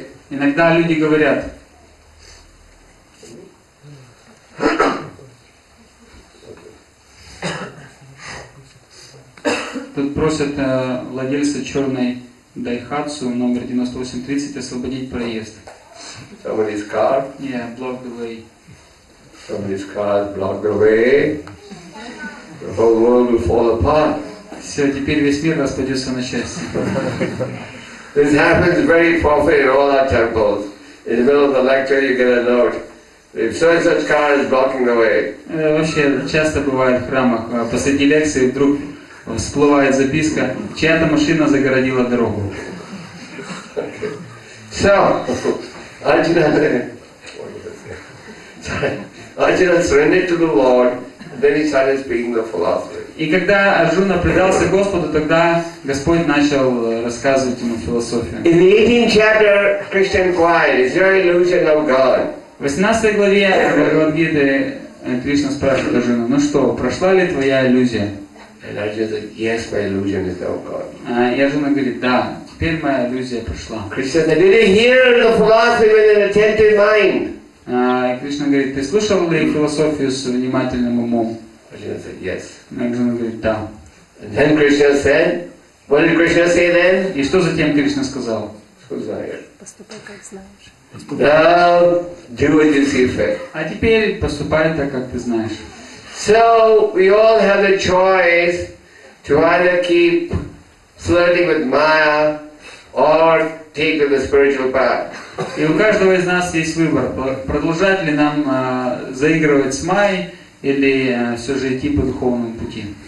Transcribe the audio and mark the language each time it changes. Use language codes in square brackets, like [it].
[ru] иногда люди говорят, тут просят владельца черной Дайхатсу номер 9830 освободить проезд. [en] Somebody's car? Yeah, block the way. Somebody's car is blocked the way. The whole world will fall apart. [ru] Все, теперь весь мир распадется на части. [en] This happens very often in all our temples. In the middle of the lecture, you get a note. If so and such car is blocking the way. [ru] Вообще часто бывает в храмах. Посреди лекции вдруг всплывает записка, чья-то машина загородила дорогу. [en] So, Arjuna surrendered to the Lord. Then he started speaking the philosophy. [ru] И когда Арджуна предался Господу, тогда Господь начал рассказывать ему философию. [en] In the 18th chapter, Krishna inquired, "Is there an illusion of God?" [ru] В 18 главе Бхагавад-гиты Кришна спрашивает Арджуну, "Ну что, прошла ли твоя иллюзия?" [en] And Arjuna said, "Yes, my illusion is now gone." [ru] И Арджуна говорит, "Да, теперь моя иллюзия прошла." [en] Krishna said, "Did you hear the philosophy with an attentive mind?" [ru] И Кришна говорит, ты слышал ли философию с внимательным умом? Арджуна говорит, да. [en] And then Krishna said, what did Krishna say then? [ru] И что затем Кришна сказал? Поступай, как знаешь. [en] Now, do what you see fit. [ru] А теперь поступай так, как ты знаешь. [en] So, we all have a choice to either keep flirting with Maya or take the spiritual path. [ru] И у каждого из нас есть выбор, продолжать ли нам заигрывать с Майей или все же идти по духовному пути.